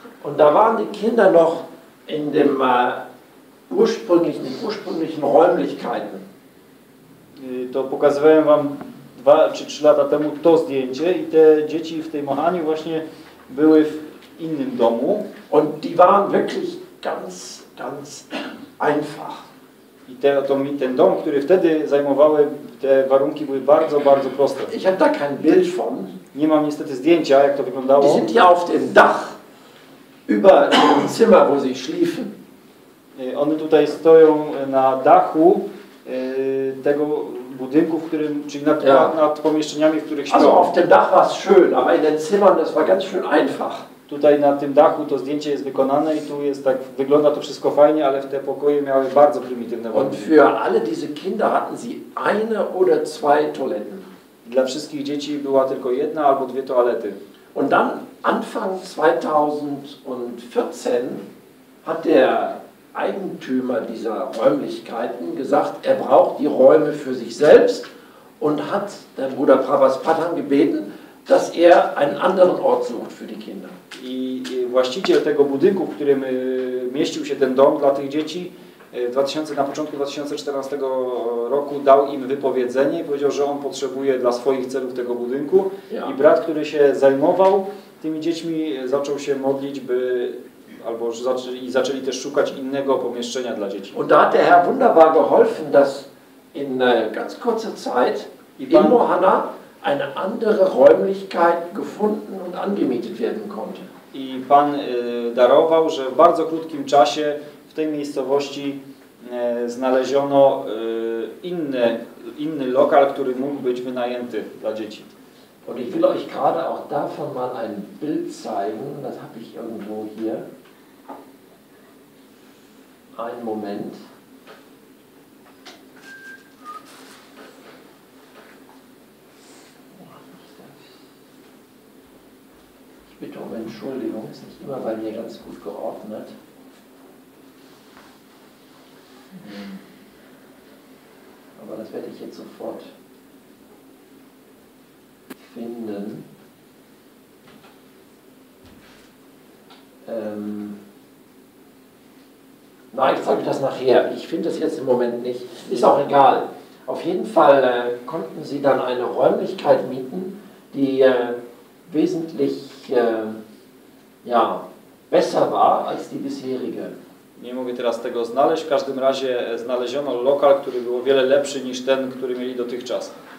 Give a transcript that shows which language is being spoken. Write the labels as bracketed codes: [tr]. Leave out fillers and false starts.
[de] Und da waren die Kinder noch in dem ursprünglichen Räumlichkeiten. [pl] To pokazywałem wam 2 czy 3 lata temu to zdjęcie i te dzieci w tej Mohanie właśnie były w innym domu. [de] Und die waren wirklich ganz, ganz einfach. [pl] I ten dom, który wtedy zajmowały, te warunki były bardzo, bardzo proste. [de] Ich habe da kein Bild von. [pl] Nie mam niestety zdjęcia, jak to wyglądało. [de] Die sind ja auf dem Dach über dem Zimmer, wo sie schliefen. [pl] One tutaj stoją na dachu tego budynku, w którym, czyli nad, ja, nad pomieszczeniami, w których [de] śpią. Also auf dem Dach war es schön, aber in den Zimmern das war ganz schön einfach. [pl] Tutaj na tym dachu to zdjęcie jest wykonane i tu jest tak, wygląda to wszystko fajnie, ale w te pokoje miały bardzo prymitywne warunki. [de] Und für alle diese Kinder hatten sie eine oder zwei Toiletten. [pl] Dla wszystkich dzieci była tylko jedna albo dwie toalety. [de] Und dann Anfang 2014 hat der Eigentümer dieser Räumlichkeiten gesagt, er braucht die Räume für sich selbst und hat der Bruder Prabhaspatan gebeten, dass er einen anderen Ort sucht für die Kinder. [pl] I właściciel tego budynku, w którym mieścił się ten dom dla tych dzieci, na początku 2014 roku dał im wypowiedzenie i powiedział, że on potrzebuje dla swoich celów tego budynku. Ja. I brat, który się zajmował tymi dziećmi, zaczął się modlić, by albo zaczęli też szukać innego pomieszczenia dla dzieci. [de] Und da hat der Herr wunderbar geholfen, dass in ganz kurzer Zeit in Mohanna eine andere Räumlichkeit gefunden und angemietet werden konnte. [pl] I Pan darował, że w bardzo krótkim czasie w tej miejscowości znaleziono inny lokal, który mógł być wynajęty dla dzieci. [de] Und ich will euch gerade auch davon mal ein Bild zeigen, das habe ich irgendwo hier. Ein Moment. Ich bitte um Entschuldigung, ist nicht immer bei mir ganz gut geordnet. Aber das werde ich jetzt sofort finden. Nein, ich zeige das nachher. Ich finde das jetzt im Moment nicht. Ist auch egal. Auf jeden Fall konnten sie dann eine Räumlichkeit mieten, die wesentlich ja, besser war als die bisherige. [pl] Nie mogę teraz tego znaleźć. W każdym razie znaleziono lokal, który był o wiele lepszy niż ten, który mieli dotychczas.